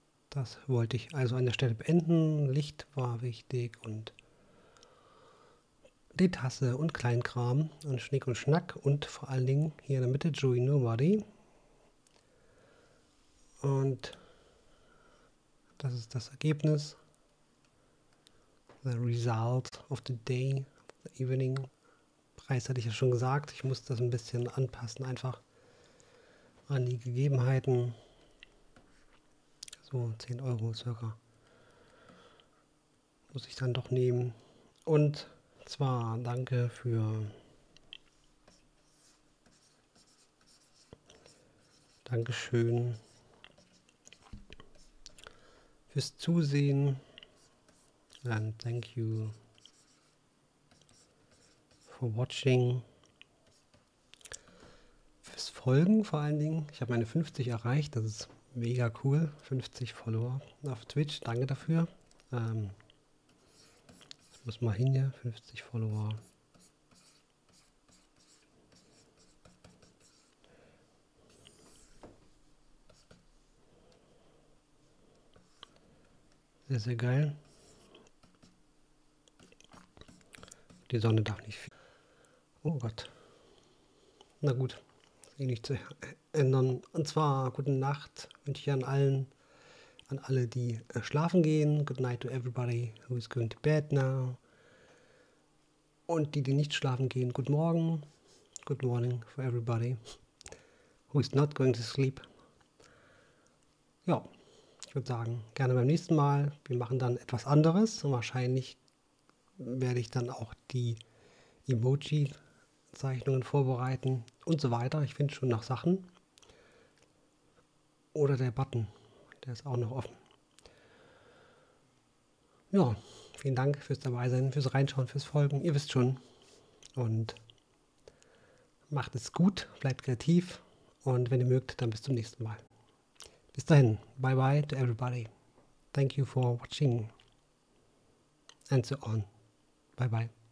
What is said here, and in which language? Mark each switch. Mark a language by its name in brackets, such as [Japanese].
[German] Das wollte ich also an der Stelle beenden. Licht war wichtig und die Tasse und Kleinkram und Schnick und Schnack und vor allen Dingen hier in der Mitte Joey Nobody. Und das ist das Ergebnis. [English] The result of the day, of the evening. [German] Preis hatte ich ja schon gesagt, ich muss das ein bisschen anpassen, einfach an die Gegebenheiten. So 10 Euro circa muss ich dann doch nehmen. Und zwar danke für Dankeschön fürs Zusehen. [English] And thank you for watching. [German] Fürs Folgen vor allen Dingen. Ich habe meine 50 erreicht. Das ist mega cool. 50 Follower auf Twitch. Danke dafür. Ich muss mal hin hier. 50 Follower. Sehr, sehr geil. Die Sonne darf nicht viel. Oh Gott. Na gut, ist eh nicht zu ändern. Und zwar, gute Nacht wünsche ich an alle, die schlafen gehen. [English] Good night to everybody who is going to bed now. [German] Und die, die nicht schlafen gehen, [English] good morning. Good morning for everybody who is not going to sleep. [German] Ja, ich würde sagen, gerne beim nächsten Mal. Wir machen dann etwas anderes und wahrscheinlich werde ich dann auch die Emoji-Zeichnungen vorbereiten und so weiter. Ich finde schon noch Sachen. Oder der Button, der ist auch noch offen. Ja, vielen Dank fürs Dabeisein, fürs Reinschauen, fürs Folgen. Ihr wisst schon. Und macht es gut, bleibt kreativ und wenn ihr mögt, dann bis zum nächsten Mal. Bis dahin, [English] bye bye to everybody. Thank you for watching. And so on. Bye bye.